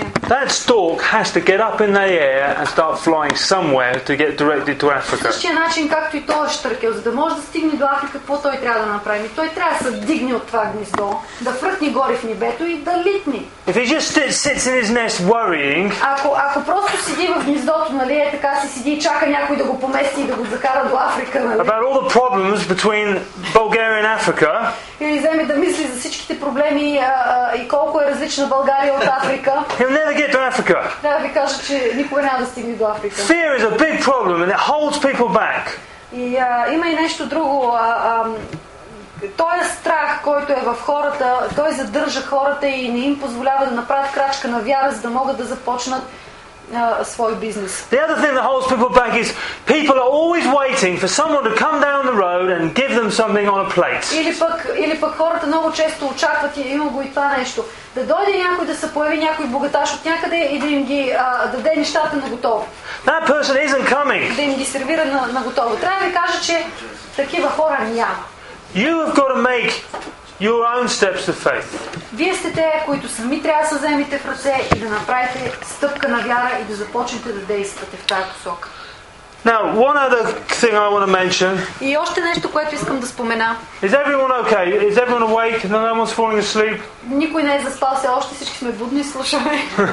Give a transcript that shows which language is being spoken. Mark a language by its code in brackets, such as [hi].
[en] That stork has to get up in the air and start flying somewhere to get directed to Africa. [bg] По същия начин, както и той щъркел, за да може да стигне до Африка, какво той трябва да направи? Той трябва да се дигне от това гнездо, да фръкне горе в небето и да литне. [en] If he just sits in his nest worrying, [bg] ако просто седи в гнездото, нали, е така си седи и чака някой да го помести и да го закара до Африка, нали? [en] About all the problems between Bulgaria and Africa. [bg] И вземе да мисли за всичките проблеми и колко е различна България от Африка. [en] He'll never get to Africa. [bg] Да, ви кажа, че никога няма да стигне до Африка. [en] Fear is a big problem and it holds people back. [bg] И има и нещо друго. Той е страх, който е в хората, той задържа хората и не им позволява да направят крачка на вяра, за да могат да започнат свой бизнес. [en] The other thing that holds people back is people are always waiting for someone to come down the road and give them something on a plate. [bg] Или пък хората много често очакват и има го и това нещо. Да дойде някой, да се появи някой богаташ от някъде и да им ги даде нещата на готово. [en] That person isn't coming. [bg] Да им ги сервира на готово. Трябва да ви кажа, че такива хора няма. [en] You have got to make your own steps of faith. [bg] Вие сте те, които сами трябва да се вземете в ръце и да направите стъпка на вяра и да започнете да действате в тази посока. [en] Now, one other thing I want to mention. [bg] И още нещо, което искам да спомена. [en] Is everyone okay? Is everyone awake? No one's falling asleep? [bg] Никой не е заспал, все още всички сме будни, слушаме.